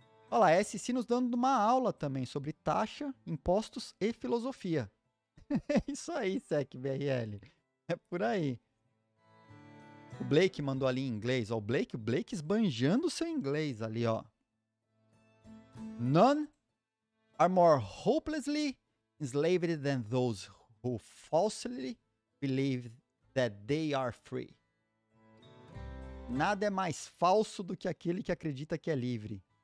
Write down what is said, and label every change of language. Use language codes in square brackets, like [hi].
[pt] Olha lá, SC nos dando uma aula também sobre taxa, impostos e filosofia. É isso aí, SecBRL. É por aí. O Blake mandou ali em inglês, ó. O Blake esbanjando seu inglês ali, ó. [en] None are more hopelessly enslaved than those who falsely believe that they are free. [pt] Nada é mais falso do que aquele que acredita que é livre.